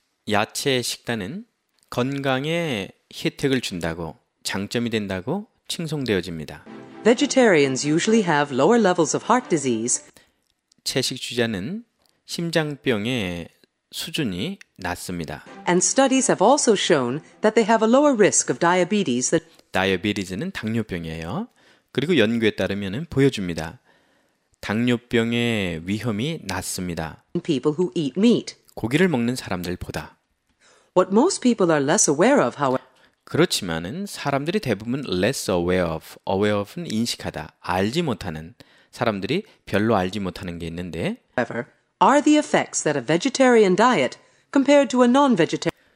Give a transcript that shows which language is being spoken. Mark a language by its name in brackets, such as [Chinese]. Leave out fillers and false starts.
[Korean] 야채 식단은 건강에 혜택을 준다고, 장점이 된다고 칭송되어집니다. [English] Vegetarians usually have lower levels of heart disease. [Korean] 채식주의자는 심장병의 수준이 낮습니다. [English] And studies have also shown that they have a lower risk of diabetes than [Korean] 다이어비티스는 당뇨병이에요. 그리고 연구에 따르면 보여줍니다. 당뇨병의 위험이 낮습니다. [English] people who eat meat. [Korean] 고기를 먹는 사람들보다. [English] What most people are less aware of, however, [Korean] 그렇지만은 사람들이 대부분 [English] less aware of [Korean] 는 인식하다, 알지 못하는 사람들이 별로 알지 못하는 게 있는데 [English] are the effects that a vegetarian diet compared to a non-vegetarian